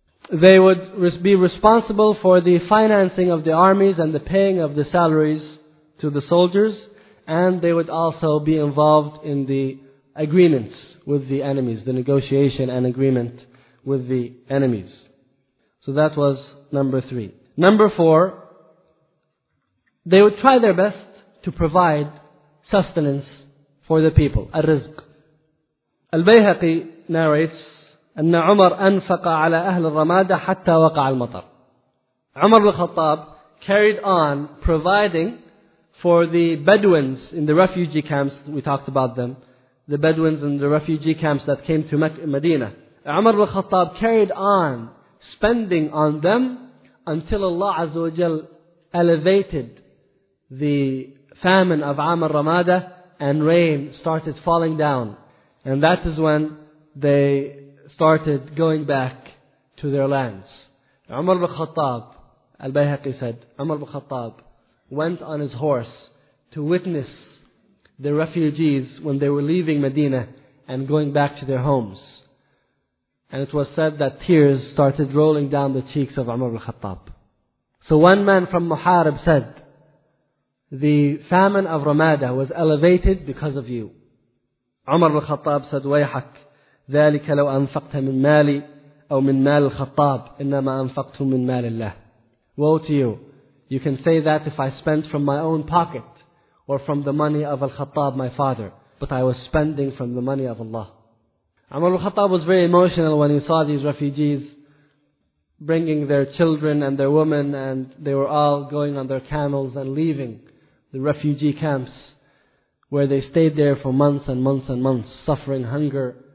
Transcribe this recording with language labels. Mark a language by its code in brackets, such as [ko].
[en] They would be responsible for the financing of the armies and the paying of the salaries to the soldiers, and they would also be involved in the agreements with the enemies, the negotiation and agreement with the enemies. So that was number three. Number four, they would try their best to provide sustenance for the people, al-rizq. Al-Bayhaqi narrates, [ar] أن عمر أنفق على أهل الرمادة حتى وقع المطر. [en] عمر الخطاب carried on providing for the Bedouins in the refugee camps. We talked about them, the Bedouins in the refugee camps that came to Medina. عمر الخطاب carried on spending on them until Allah [ar] عز وجل [en] elevated the famine of عام الرمادة and rain started falling down, and that is when they started going back to their lands. Umar ibn Khattab, al-Bayhaqi said, Umar ibn Khattab went on his horse to witness the refugees when they were leaving Medina and going back to their homes. And it was said that tears started rolling down the cheeks of Umar ibn Khattab. So one man from Muharib said, the famine of Ramada was elevated because of you. Umar ibn Khattab said, [ar] wayhak, ذلك لو أنفقت من مالي أو من مال الخطاب إنما أنفقت من مال الله. [en] Woe to you. You can say that if I spent from my own pocket or from the money of Al-Khattab, my father. But I was spending from the money of Allah. Umar al-Khattab was very emotional when he saw these refugees bringing their children and their women, and they were all going on their camels and leaving the refugee camps where they stayed there for months and months and months, suffering hunger.